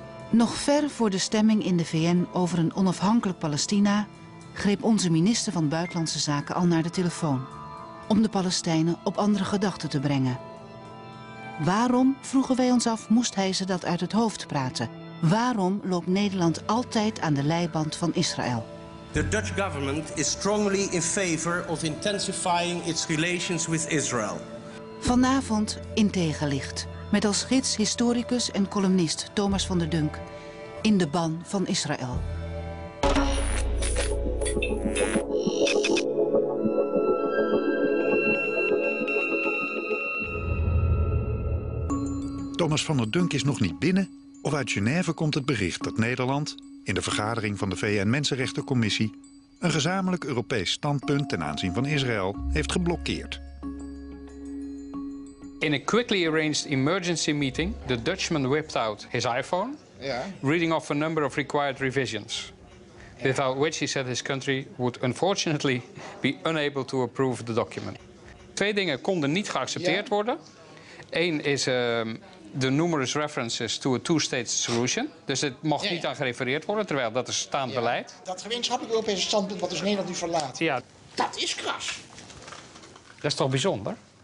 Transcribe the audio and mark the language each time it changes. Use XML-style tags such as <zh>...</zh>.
<nl>Nog ver voor de stemming in de VN over een onafhankelijk Palestina greep onze minister van Buitenlandse Zaken al naar de telefoon om de Palestijnen op andere gedachten te brengen. Waarom, vroegen wij ons af, moest hij ze dat uit het hoofd praten? Waarom loopt Nederland altijd aan de leiband van Israël?</nl> <en>The Dutch government is strongly in favor of intensifying its relations with Israel.</en> <nl>Vanavond in Tegenlicht, met als gids historicus en columnist Thomas van der Dunk, in de ban van Israël. Thomas van der Dunk is nog niet binnen, of uit Genève komt het bericht dat Nederland, in de vergadering van de VN-Mensenrechtencommissie, een gezamenlijk Europees standpunt ten aanzien van Israël heeft geblokkeerd.</nl> <en>In a quickly arranged emergency meeting, the Dutchman whipped out his iPhone, reading off a number of required revisions, without which he said his country would unfortunately be unable to approve the document.</en> <nl>Twee dingen konden niet geaccepteerd worden. Eén is de numerous references to a two-state solution. Dus het mocht niet aan gerefereerd worden, terwijl dat is staand beleid. Dat gemeenschappelijk Europese standpunt wat dus Nederland nu verlaat. Ja. Dat is kras. Dat is toch bijzonder?</nl>